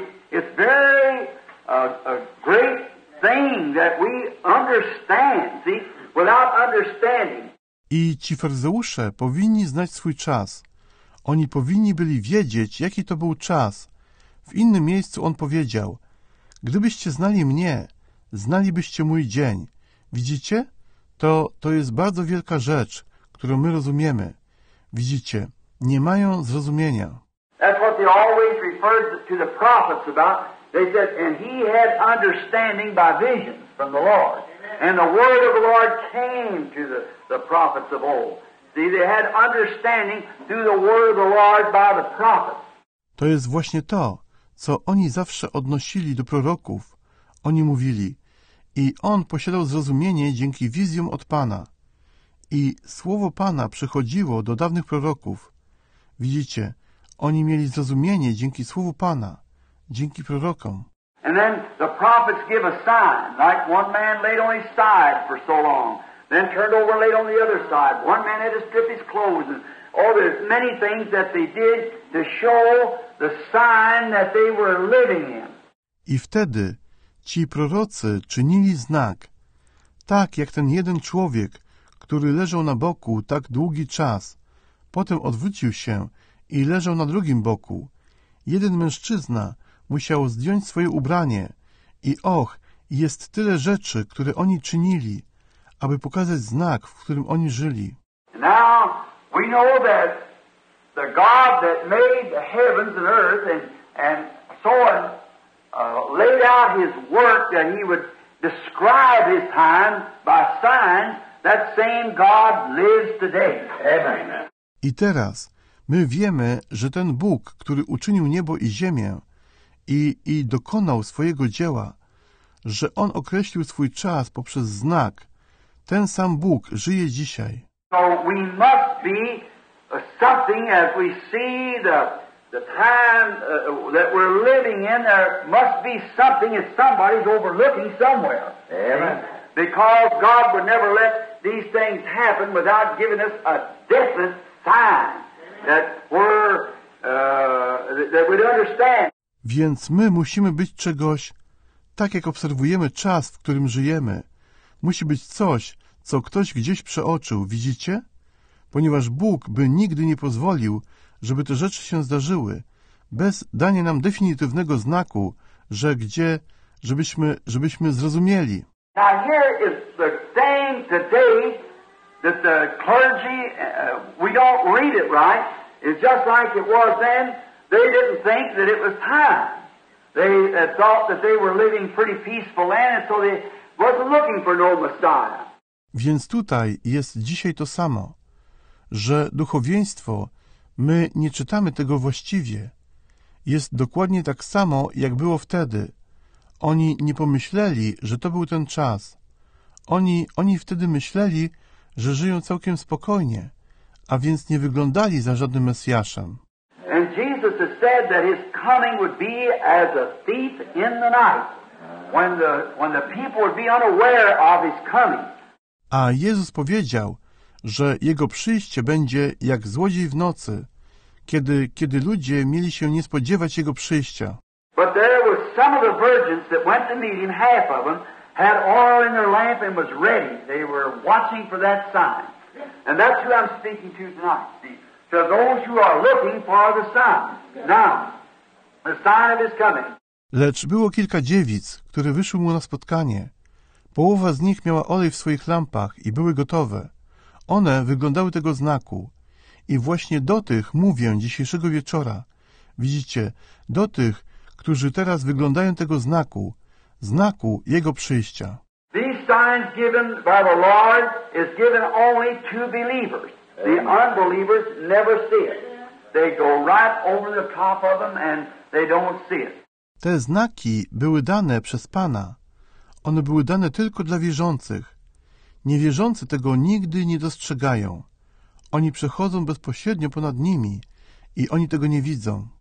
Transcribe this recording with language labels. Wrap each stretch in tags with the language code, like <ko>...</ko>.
<en>It's very a great thing that we understand, see, without understanding.</en> <pl>I ci faryzeusze powinni znać swój czas. Oni powinni byli wiedzieć, jaki to był czas. W innym miejscu on powiedział, gdybyście znali mnie, znalibyście mój dzień. Widzicie? To jest bardzo wielka rzecz, którą my rozumiemy. Widzicie? Nie mają zrozumienia.</pl> <en>That's what they always referred to the prophets about. They said, and he had understanding by visions from the Lord. And the word of the Lord came to the prophets of old. See, they had understanding through the word of the Lord by the prophets.</en> <pl>To jest właśnie to, co oni zawsze odnosili do proroków. Oni mówili, i on posiadał zrozumienie dzięki wizjom od Pana. I słowo Pana przychodziło do dawnych proroków. Widzicie, oni mieli zrozumienie dzięki słowu Pana, dzięki prorokom.</pl> <en>And then the prophets give a sign, like one man laid on his side for so long, then turned over and laid on the other side. One man had to strip his clothes and all there's many things that they did to show the sign that they were living in.</en> <pl>I wtedy ci prorocy czynili znak, tak jak ten jeden człowiek, który leżał na boku tak długi czas, potem odwrócił się i leżał na drugim boku. Jeden mężczyzna musiał zdjąć swoje ubranie i och, jest tyle rzeczy, które oni czynili, aby pokazać znak, w którym oni żyli.</pl> <en>Now we know that the God that made the heavens and earth and so on laid out his work that he would describe his time by sign, that same God lives today. Amen.</en> <pl>I teraz my wiemy, że ten Bóg, który uczynił niebo i ziemię i dokonał swojego dzieła, że on określił swój czas poprzez znak, ten sam Bóg żyje dzisiaj.</pl> <en>So we must be something as we see the time that we're living in, there must be something that somebody's overlooking somewhere. Amen. Because God would never let these things happen without giving us a definite sign that we're that we'd understand.</en> <pl>Więc my musimy być czegoś, tak jak obserwujemy czas, w którym żyjemy. Musi być coś, co ktoś gdzieś przeoczył, widzicie? Ponieważ Bóg by nigdy nie pozwolił, żeby te rzeczy się zdarzyły, bez dania nam definitywnego znaku, że gdzie, żebyśmy zrozumieli.</pl> <en>Now here is the thing today that the clergy, we don't read it right, it's just like it was then. They didn't think that it was time. They thought that they were living pretty peaceful land, and so they wasn't looking for no Messiah.</en> <pl>Więc tutaj jest dzisiaj to samo, że duchowieństwo, my nie czytamy tego właściwie. Jest dokładnie tak samo, jak było wtedy. Oni nie pomyśleli, że to był ten czas. Oni wtedy myśleli, że żyją całkiem spokojnie, a więc nie wyglądali za żadnym Mesjaszem.</pl> <en>And Jesus has said that his coming would be as a thief in the night, when the people would be unaware of his coming.</en> <pl>A Jezus powiedział, że jego przyjście będzie jak złodziej w nocy, kiedy ludzie mieli się nie spodziewać jego przyjścia.</pl> <en>But there were some of the virgins that went to meet him, half of them, had oil in their lamp and was ready. They were watching for that sign. And that's who I'm speaking to tonight, to those who are looking for the sign. Now, the sign of his coming.</en> <pl>Lecz było kilka dziewic, które wyszły mu na spotkanie. Połowa z nich miała olej w swoich lampach i były gotowe. One wyglądały tego znaku. I właśnie do tych mówię dzisiejszego wieczora. Widzicie, do tych, którzy teraz wyglądają tego znaku, znaku jego przyjścia.</pl> <en>These signs given by the Lord is given only to believers. The unbelievers never see it. They go right over the top of them and they don't see it.</en> <pl>Te znaki były dane przez Pana. One były dane tylko dla wierzących. Niewierzący tego nigdy nie dostrzegają. oni przechodzą bezpośrednio ponad nimi i oni tego nie widzą.</pl>